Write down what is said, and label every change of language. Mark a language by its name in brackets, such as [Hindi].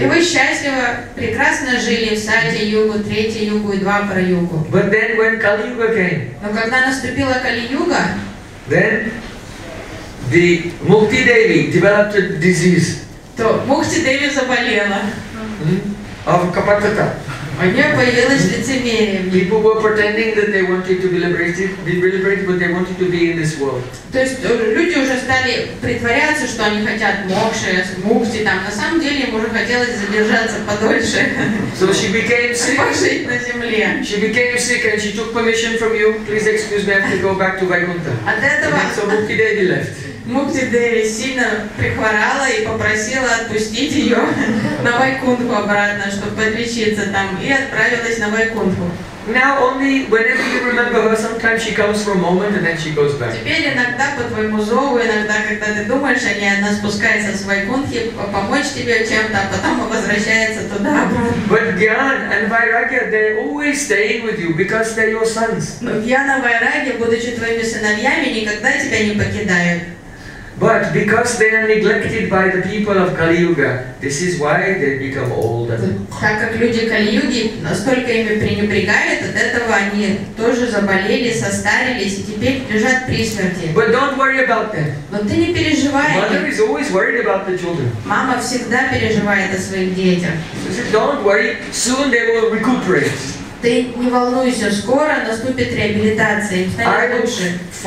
[Russian] И вы счастливо, прекрасно жили в Сати-югу, Третьей-югу и Двапара-югу. [English] But then when Kali-юга came. [Russian] Но когда наступила Кали-юга, [English] then the Mukti Devi developed a disease. [Russian] То Мукти Деви заболела. А в Капатата? У нее появилось лицемерие. [English] People were pretending that they wanted to be liberated, but they wanted to be in this world. [Russian] То есть люди уже стали притворяться, что они хотят мокши, мукти там. На самом деле им уже хотелось задержаться подольше. [English] So she became sick. [Russian] Пожить на земле. [English] She became sick and she took permission from you. Please excuse me, I have to go back to Vaikuntha. [Russian] От этого. [English] So Mukti Devi left. [Russian] Мукти Деви сильно прихворала и попросила отпустить ее на Вайкунтху обратно, чтобы подлечиться там, и отправилась на Вайкунтху. [English] Now only whenever you remember her, sometimes she comes for a moment and then she goes back. [Russian] Теперь иногда по твоему зову, иногда когда ты думаешь о ней, она спускается с Вайкунтхи помочь тебе чем-то, а потом возвращается туда. [English] But Gyan and Vairagya, they always stay with you because they're your sons. [Russian] Но Гьяна и Вайрагья, будучи твоими сыновьями, никогда тебя не покидают. [English] But because they are neglected by the people of Kali Yuga, this is why they become old. [Russian] Так как люди Кали Юги настолько ими пренебрегают, от этого они тоже заболели, состарились и теперь лежат при смерти. [English] But don't worry about them. [Russian] Но ты не переживай. [English] Mother is always worried about the children. [Russian] Мама всегда переживает о своих детях. [English] She says, don't worry, soon they will recuperate. [Russian] Ты не волнуйся, скоро наступит реабилитация, станет лучше.